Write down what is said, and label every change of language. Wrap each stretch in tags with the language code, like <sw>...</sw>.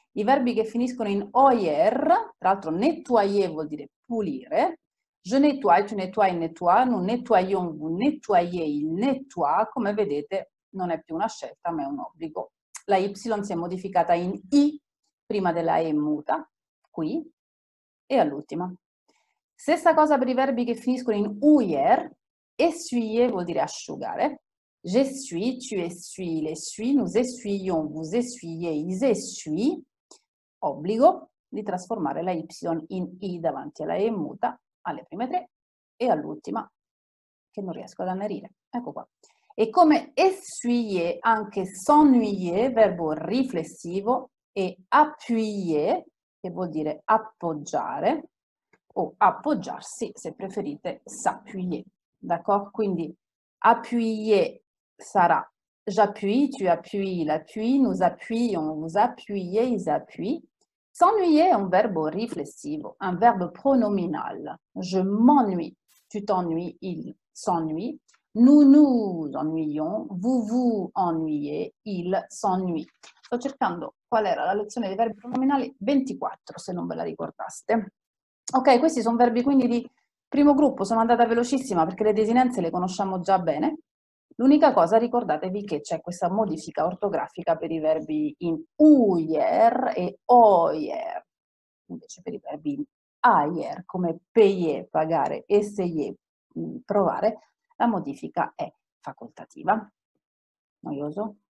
<it>I verbi che finiscono in oyer, tra l'altro nettoyer vuol dire pulire,</it> <fr>je nettoie, tu nettoies, nettoie, nous nettoyons, vous nettoyez, il nettoie,</fr> <it>come vedete non è più una scelta, ma è un obbligo. La Y si è modificata in I prima della E muta, qui, e all'ultima. Stessa cosa per i verbi che finiscono in uyer. Essuyer vuol dire asciugare.</it> <fr>J'essuie, tu essuies, l'essuie, nous essuyons, vous essuyez, ils essuient.</fr> <it>Obbligo di trasformare la Y in I davanti alla E muta alle prime tre e all'ultima che non riesco ad annerire. Ecco qua. E come essuyer anche s'ennuyer, verbo riflessivo, e appuyer, che vuol dire appoggiare, o appoggiarsi, se preferite, s'appuyer. D'accordo? Quindi appuyer sarà</it> <fr>j'appuie, tu appuies, l'appui, nous appuyons, vous appuyez, ils appuient.</fr> <it>S'ennuyer è un verbo riflessivo, un verbo pronominal.</it> <fr>Je m'ennuie, tu t'ennuies, il s'ennuie. Nous nous ennuyons, vous vous ennuyez, il s'ennuie.</fr> <it>Sto cercando qual era la lezione dei verbi pronominali 24, se non ve la ricordaste. Ok, questi sono verbi quindi di primo gruppo, sono andata velocissima perché le desinenze le conosciamo già bene. L'unica cosa, ricordatevi che c'è questa modifica ortografica per i verbi in uyer e oyer, invece per i verbi in ayer, come payer, pagare, essayer, provare, la modifica è facoltativa. Noioso?</it>